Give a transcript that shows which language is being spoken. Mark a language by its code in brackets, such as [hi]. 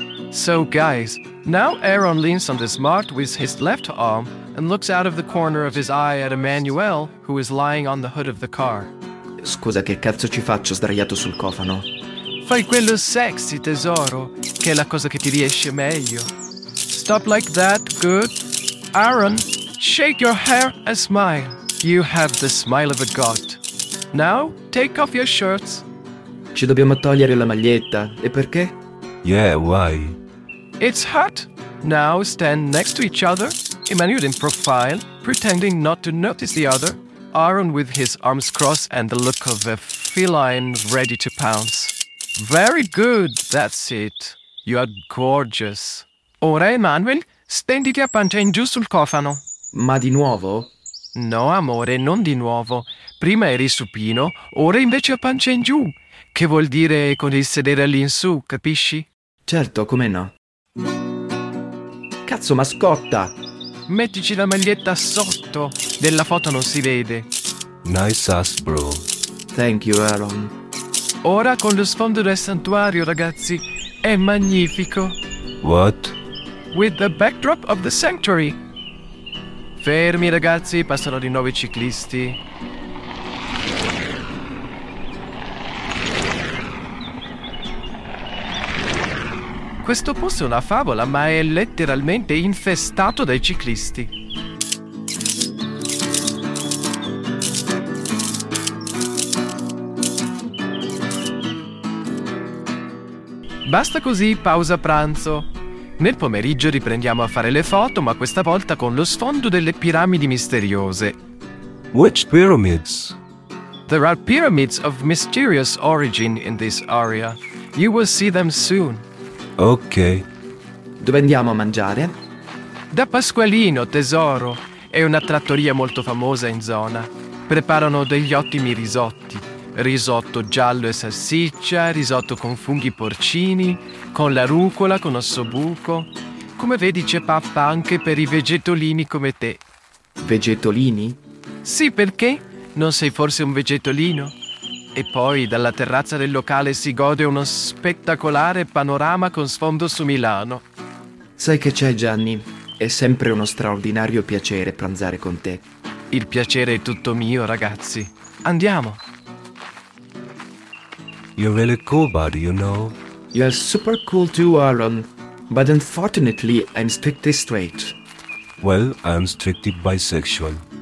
[en] So, guys, now Aaron leans on the smart with his left arm and looks out of the corner of his eye at Emmanuel, who is lying on the hood of the car. [it] Scusa, che cazzo ci faccio sdraiato sul cofano? Fai quello sexy, tesoro, che è la cosa che ti riesce meglio. [en] Stop like that, good. Aaron, shake your hair and smile. You have the smile of a god. Now, take off your shirts. [it] Ci dobbiamo togliere la maglietta, e perché? [en] Yeah, why? It's hot. Now stand next to each other, Emmanuel in profile, pretending not to notice the other, Aaron with his arms crossed and the look of a feline ready to pounce. Very good, that's it. You are gorgeous. [it] Ora, Emmanuel, stenditi a pancia in giù sul cofano. Ma di nuovo? No, amore, non di nuovo. Prima eri supino, ora invece a pancia in giù. Che vuol dire con il sedere all'insù, capisci? Certo, come no. Cazzo, mascotta! Mettici la maglietta sotto. Della foto non si vede. [en] Nice ass, bro. Thank you, Aaron. [it] Ora con lo sfondo del santuario, ragazzi. È magnifico. [en] What? With the backdrop of the sanctuary. [it] Fermi, ragazzi. Passano di nuovo i ciclisti. Questo posto è una favola, ma è letteralmente infestato dai ciclisti. Basta così, pausa pranzo. Nel pomeriggio riprendiamo a fare le foto, ma questa volta con lo sfondo delle piramidi misteriose. [en] Which pyramids? There are pyramids of mysterious origin in this area. You will see them soon. Ok. [it] Dove andiamo a mangiare? Da Pasqualino, tesoro. È una trattoria molto famosa in zona. Preparano degli ottimi risotti. Risotto giallo e salsiccia, risotto con funghi porcini, con la rucola, con ossobuco. Come vedi, c'è pappa anche per i vegetolini come te. Vegetolini? Sì, perché? Non sei forse un vegetolino? E poi dalla terrazza del locale si gode uno spettacolare panorama con sfondo su Milano. Sai che c'è, Gianni? È sempre uno straordinario piacere pranzare con te. Il piacere è tutto mio, ragazzi. Andiamo. [en] You're really cool, buddy, you know? You're super cool too, Aaron. But unfortunately, I'm strictly straight. Well, I'm strictly bisexual.